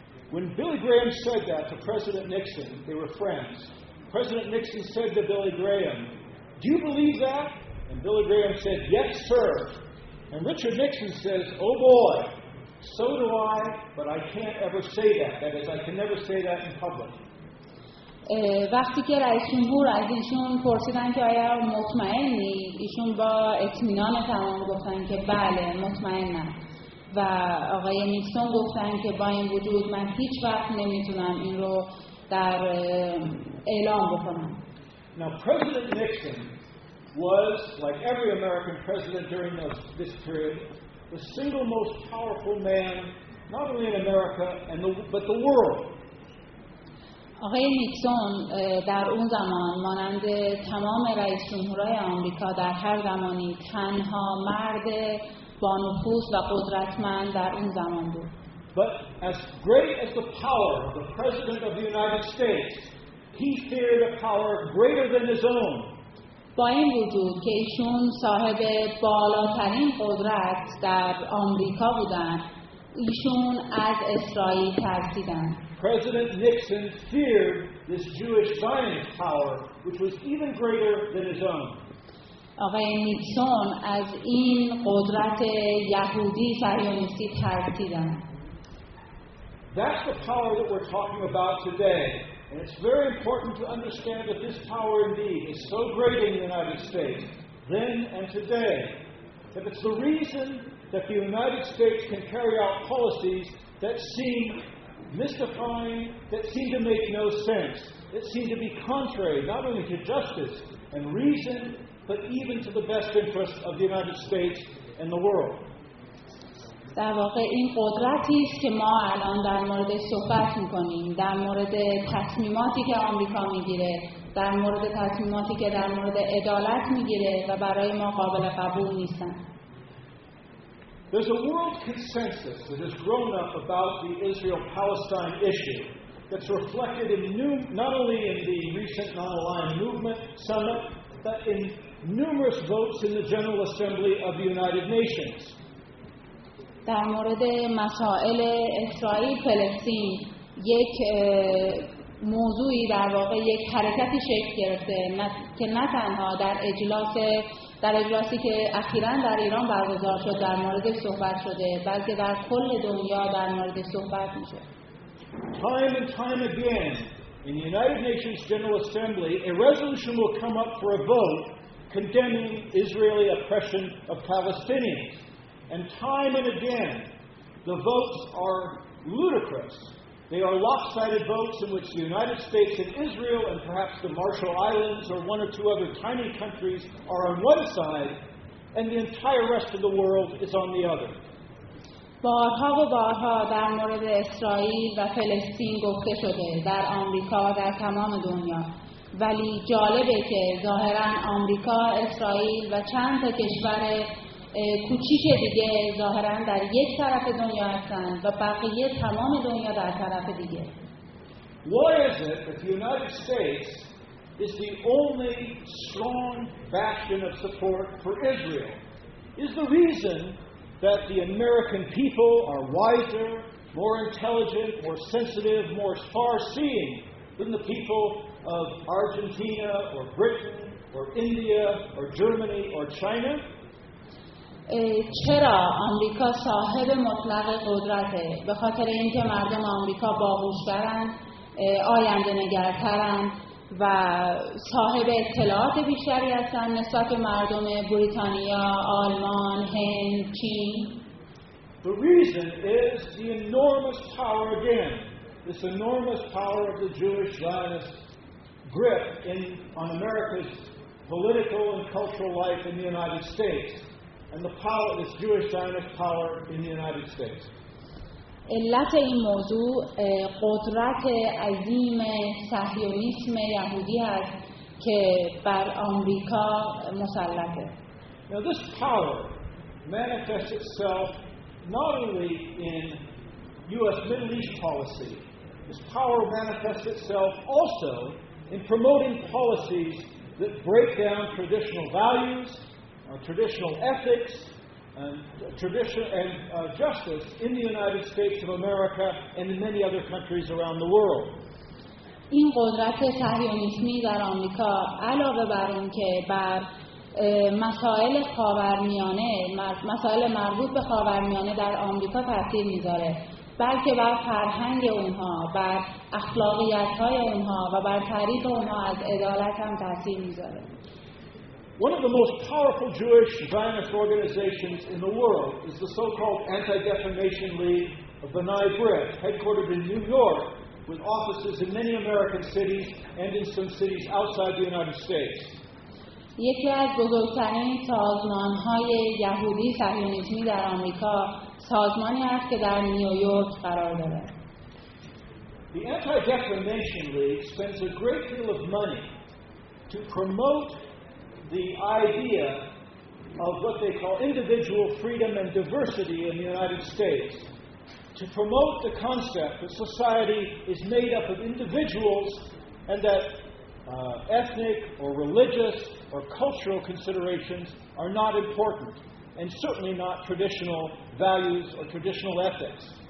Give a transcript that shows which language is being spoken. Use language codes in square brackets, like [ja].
[en] When Billy Graham said that to President Nixon, they were friends. President Nixon said to Billy Graham, "Do you believe that?" And Billy Graham said, "Yes, sir." And Richard Nixon says, "Oh boy, so do I, but I can't ever say that. That is, I can never say that in public." [fa] وقتی که رئیس جمهور از ایشون پرسیدن که آیا مطمئنی، ایشون با اطمینان تمام گفتن که بله، مطمئنم. و آقای نیکسون گفتن که با این وجود من هیچ وقت نمیتونم این رو در اعلام بکنم. [en] Now, President Nixon was, like every American president during this period, the single most powerful man, not only in America, but the world. [fa] آقای نیکسون در اون زمان مانند تمام رئیس جمهورهای آمریکا در هر زمانی تنها مرد بانفوذ و قدرتمند در اون زمان بود. [en] But as great as the power of the President of the United States, he feared a power greater than his own. [fa] با این وجود که ایشون صاحب بالاترین قدرت در آمریکا بودند، ایشون از اسرائیل ترسیدند. [en] President Nixon feared this Jewish Zionist power, which was even greater than his own. [fa] آقای نیکسون از این قدرت یهودی صهیونیستی ترسیدن. [en] That's the power that we're talking about today. And it's very important to understand that this power indeed is so great in the United States, then and today, that it's the reason that the United States can carry out policies that seem mystifying, that seem to make no sense, that seem to be contrary not only to justice and reason, but even to the best interests of the United States and the world. [fa] در واقع این قدرتی است که ما الان در مورد صحبت می‌کنیم، در مورد تصمیماتی که آمریکا می‌گیره، در مورد تصمیماتی که در مورد عدالت می‌گیره و برای ما قابل قبول نیستن. [en] There's a world consensus that has grown up about the Israel-Palestine issue that's reflected in not only in the recent non-aligned movement summit, but in numerous votes in the General Assembly of the United Nations. [fa] در مورد مسائل اسرائیل فلسطین یک موضوعی در واقع یک حرکتی شکل گرفته که نه تنها در اجلاسی که اخیراً در ایران برگزار شد در مورد صحبت شده، بلکه در کل دنیا در مورد صحبت میشه. [en] Time and time again in the United Nations General Assembly a resolution will come up for a vote condemning Israeli oppression of Palestinians. And time and again, the votes are ludicrous. They are lopsided votes in which the United States and Israel and perhaps the Marshall Islands or one or two other tiny countries are on one side and the entire rest of the world is on the other. [fa] بارها و بارها در مورد اسرائیل و فلسطین گفته شده در آمریکا و در تمام دنیا. ولی جالبه که ظاهراً آمریکا، اسرائیل و چند تا کشور کوچیک دیگه ظاهرا در یک طرف دنیا هستن و بقیه تمام دنیا در طرف دیگه. [en] Why is it that the United States is the only strong bastion of support for Israel? Is the reason that the American people are wiser, more intelligent, more sensitive, more far-seeing than the people of Argentina or Britain or India or Germany or China? [fa] چرا آمریکا صاحب مطلق قدرته؟ به خاطر اینکه مردم آمریکا باهوش‌ترن، آینده‌نگرترن و صاحب اطلاعات بیشتری هستن نسبت به مردم بریتانیا، آلمان، هند، چین. [en] The reason is the enormous power again. This enormous power of the Jewish Zionist grip on America's political and cultural life in the United States. And the power of this Jewish Zionist power in the United States. [fa] علت این موضوع قدرت عظیم صهیونیسم یهودی است که بر آمریکا مسلطه. [en] Now this power manifests itself not only in U.S. Middle East policy. This power manifests itself also in promoting policies that break down traditional values, traditional ethics and tradition and justice in the United States of America and in many other countries around the world. [fa] این قدرت صهیونیسمی در آمریکا علاوه بر اینکه بر مسائل خاورمیانه، مسائل مربوط به خاورمیانه در آمریکا تاثیر می‌ذاره، بلکه بر فرهنگ اونها، بر اخلاقیات‌های اونها و بر تعریف اونها از عدالت هم تاثیر می‌ذاره. [en] One of the most powerful Jewish Zionist organizations in the world is the so-called Anti-Defamation League of B'nai B'rith, headquartered in New York, with offices in many American cities and in some cities outside the United States. [fa] یکی از بزرگترین سازمان‌های یهودی صهیونیستی در آمریکا سازمانی است که در نیویورک قرار دارد. [en] The Anti-Defamation League spends a great deal of money to promote the idea of what they call individual freedom and diversity in the United States, to promote the concept that society is made up of individuals and that ethnic or religious or cultural considerations are not important and certainly not traditional values or traditional ethics.